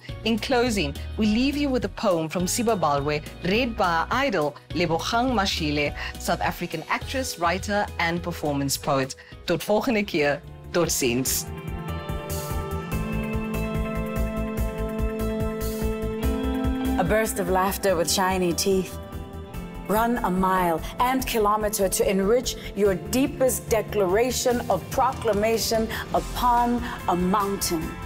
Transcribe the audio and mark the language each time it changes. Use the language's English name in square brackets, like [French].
[English] In closing, we leave you with a poem from Sibobalwe, read by our idol, Lebogang Mashile, South African actress, writer, and performance poet. [Afrikaans] Tot volgende keer, tot ziens. [English] A burst of laughter with shiny teeth. Run a mile and kilometer to enrich your deepest declaration of proclamation upon a mountain.